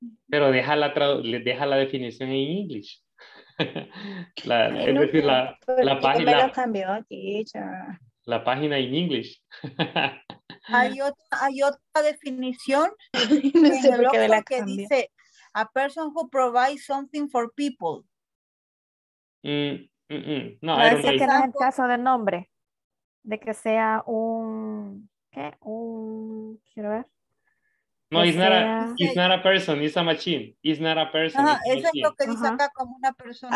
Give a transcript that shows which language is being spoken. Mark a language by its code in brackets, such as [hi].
[es] Pero deja la definición en English. Es decir, la página. la página en inglés. Hay otra definición no sé por qué de la que cambia. Dice [en] a person who provides something for people. [es] No, parece que no es el caso del nombre. De que sea un... ¿Qué? Quiero ver. [en] No, it's not a person, it's a machine. It's not a person. [es] Ajá, eso es lo que dice acá como una persona.